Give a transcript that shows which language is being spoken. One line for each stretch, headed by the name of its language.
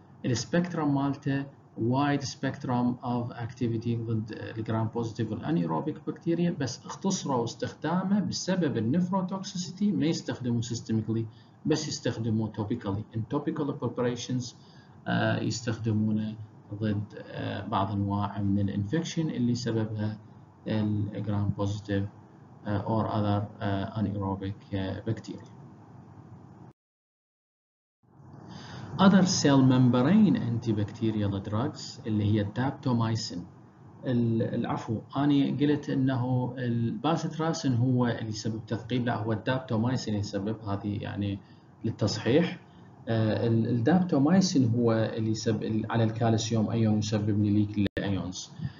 Arabic: السبكترم مالته
English: wide spectrum of activity
Arabic: ضد الجرام بوزيتيف والانيروبيك بكتيريا، بس اختصروا استخدامه بسبب النيفروتوكسيسيتي، ما يستخدموا سيستميكلي بس يستخدموا توبيكالي،
English: in topical preparations
Arabic: يستخدمونه ضد بعض انواع من الانفكشن اللي سببها الجرام بوزيتيف اور اذر انيروبيك بكتيريا.
English: Other cell membrane antibacterial drugs
Arabic: اللي هي الدابتومايسين. العفو أني قلت إنه الباسيتراسين هو اللي يسبب تثقيب، لا هو الدابتومايسين اللي يسبب، هذه يعني للتصحيح. الدابتومايسين هو اللي يسبب على الكالسيوم أيون يسبب ليك للأيونز.